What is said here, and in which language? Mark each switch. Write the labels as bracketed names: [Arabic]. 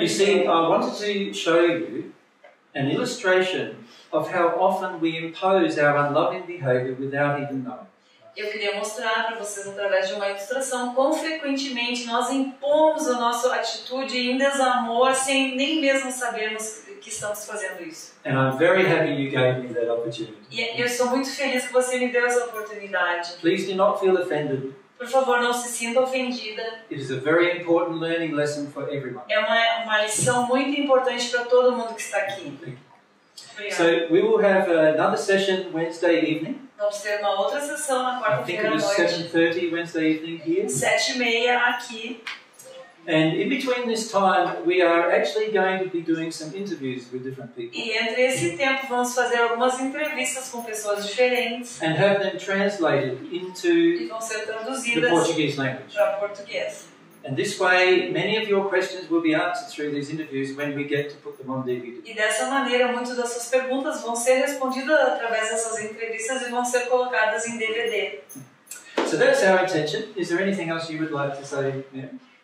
[English] You see, I wanted to show you an illustration of how often we impose our unloving behavior without even knowing. [Portuguese] Eu queria mostrar para vocês através de uma ilustração quão frequentemente nós impomos a nossa atitude em desamor sem nem mesmo sabermos. Que estamos fazendo isso. [English] And I'm very happy you gave me that opportunity. [Portuguese] E eu sou muito feliz que você me deu essa oportunidade. [English] Please do not feel offended. [Portuguese] Por favor, não se sinta ofendida. [English] It is a very important learning lesson for everyone. [Portuguese] É uma lição muito importante para todo mundo que está aqui. [English] So we will have another session Wednesday evening. [Portuguese] Vamos ter uma outra sessão na quarta-feira à noite. [English] 7:30 Wednesday evening here. [Portuguese] 7:30 aqui. [English] And in between this time, we are actually going to be doing some interviews with different people. [Portuguese] E entre esse tempo vamos fazer algumas entrevistas com pessoas diferentes. [English] And have them translated into the Portuguese language. [Portuguese] Para português. [English] And this way, many of your questions will be answered through these interviews when we get to put them on DVD. [Portuguese] E dessa maneira, muitas das suas perguntas vão ser respondidas através dessas entrevistas e vão ser colocadas em DVD. [English] So that's our intention. Is there anything else you would like to say, Mary?